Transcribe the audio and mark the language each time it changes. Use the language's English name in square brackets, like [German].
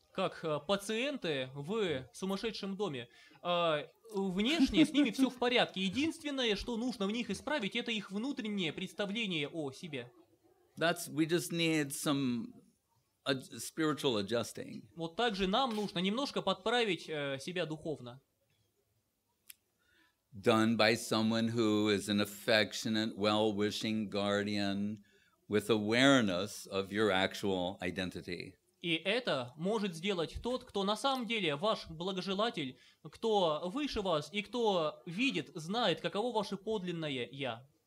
[Russian] Как пациенты в сумасшедшем доме. Внешне с ними все в порядке. Единственное, что нужно в них исправить, это их внутреннее представление о себе. [English] We just need some spiritual adjusting. [Russian] Вот так же нам нужно немножко подправить себя духовно. [English] Done by someone who is an affectionate, well-wishing guardian with awareness of your actual identity. [Russian] И это может сделать тот, кто на самом деле ваш благожелатель, кто выше вас и кто видит, знает, каково ваше подлинное «я».